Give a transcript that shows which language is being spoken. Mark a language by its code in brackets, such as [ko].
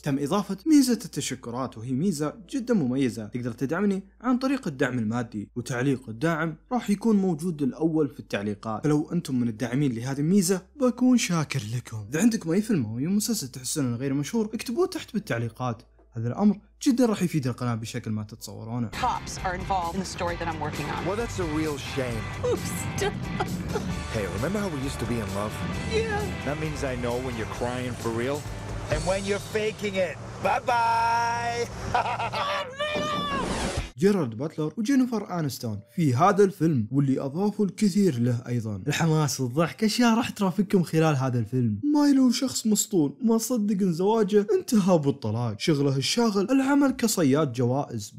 [ar] تم اضافه ميزه التشكرات وهي ميزه جدا مميزه، تقدر تدعمني عن طريق الدعم المادي، وتعليق الداعم راح يكون موجود الأول في التعليقات، فلو أنتم من الداعمين لهذه الميزة بكون شاكر لكم. إذا عندكم أي فيلم أو مسلسل تحسون أنه غير مشهور اكتبوه تحت بالتعليقات، هذا الأمر جدا راح يفيد القناة بشكل ما تتصورونه. [en] Cops are involved in the story that I'm working on. Well, that's a real shame. Oops. Hey, remember how we used to be in love? Yeah. That means I know when you're crying for real and when you're faking it. Bye bye. [ar] جيرارد باتلر وجينيفر آنستون في هذا الفيلم، واللي أضافوا الكثير له أيضا الحماس والضحك، أشياء راح ترافقكم خلال هذا الفيلم. مايلو شخص مسطول ما صدق إن زواجه انتهى بالطلاق، شغله الشاغل العمل كصياد جوائز.